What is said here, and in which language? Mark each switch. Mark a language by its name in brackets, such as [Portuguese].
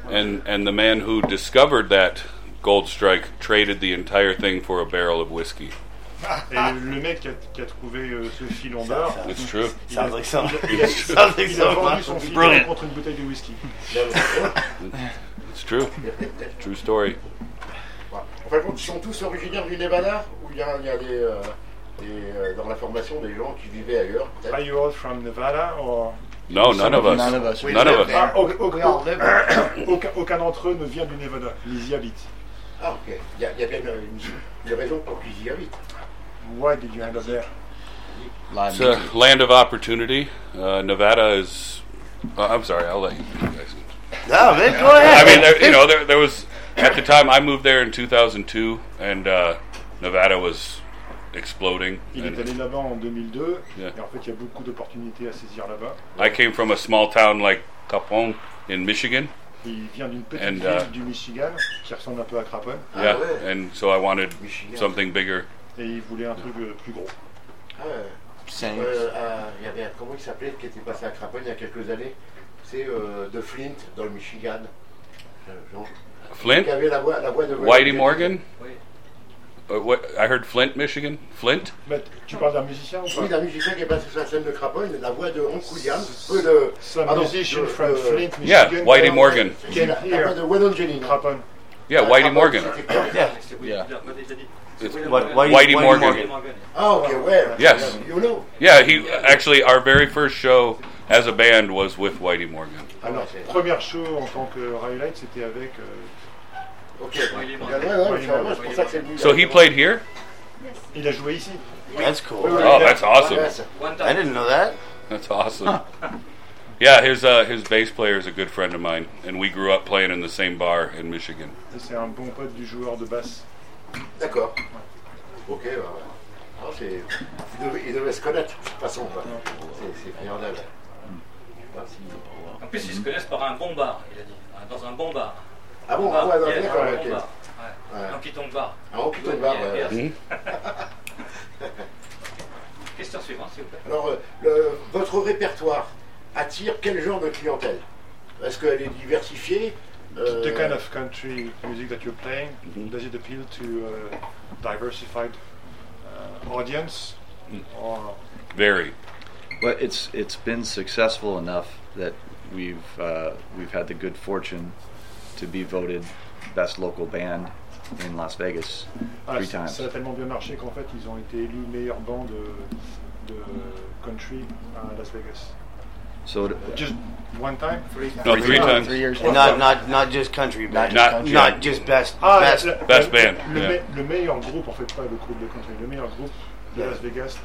[English] And the man who discovered that gold strike traded the entire thing for a barrel of whiskey. [French] Et le mec qui a trouvé ce filon d'or. [English] It's true. Sounds like something. Sounds like something. Son filon contre une bouteille de whiskey. It's true. True story. [French] En fait, ils sont tous originaires du Nevada, ou il y a dans la formation des gens qui vivaient ailleurs. [English] Are you all from Nevada or? No, none of us. None of us. [French] Aucun d'entre eux ne vient du Nevada. Ils y habitent. Ah, ok. Il y a bien une raison pour qu'ils y habitent. [English] Why did you end up there? It's a land of opportunity. Nevada is. I'm sorry. I'll let you guys. No, man. Go ahead. I mean, there was at the time I moved there in 2002, and Nevada was exploding. [French] Il est allé là-bas en 2002. Et en fait, il y a beaucoup d'opportunités à saisir là-bas. [English] I came from a small town like Capon in Michigan. [French] Il vient d'une petite ville du Michigan qui ressemble un peu à Crapon. [English] Yeah, ah ouais. And so I wanted Michigan. Something bigger. [French] Et il voulait un truc plus gros. Y avait comment il s'appelait qui était passé à Crapon il y a quelques années. C'est de Flint dans le Michigan. [English] Flint. [French] Qui avait la voix de [English] Whitey Morgan. [French] Oui. [English] What I heard Flint, Michigan. Flint. [French] Mais tu parles d'un musicien ou pas? Oui, d'un musicien qui est passé sur la scène de Crapon, la voix de Hank Williams. [English] Musician from Flint, Michigan. Yeah, Whitey Morgan. Crapon. Yeah, Whitey Morgan. Whitey Morgan. Oh, okay, where? Yes. You know? Yeah, he actually our very first show as a band was with Whitey Morgan. [French] Alors, première show en tant que Rhyolite, c'était avec. [English] Okay, Whitey Morgan. So he played here? Yes. [French] Il a joué ici. [English] That's cool. Oh, that's awesome. I didn't know that. That's awesome. Yeah, his bass player is a good friend of mine, and we grew up playing in the same bar in Michigan. [French] C'est un bon pote du joueur de basse. D'accord. Ok. Il devait se connaître, de toute façon. C'est formidable. En plus, ils se connaissent par un bon bar, il a dit. Dans un bon bar. Ah bon, ouais, d'accord. Un bon bar. Un hockey-tong bar. Un hockey-tong bar. Question suivante, s'il vous plaît. Alors, votre répertoire attire quel genre de clientèle? Est-ce qu'elle est diversifiée? [English] The kind of country music that you're playing, mm-hmm. does it appeal to a diversified audience? Very. Well, it's been successful enough that we've had the good fortune to be voted best local band in Las Vegas three times. [French] Ça a tellement bien marché qu'en fait ils ont été élus meilleure bande de country à Las Vegas. [English] So just one time, three times. 3 years. Not just country, best band. [French] Le meilleur groupe, en fait, pas le groupe de country, le meilleur groupe de Las Vegas.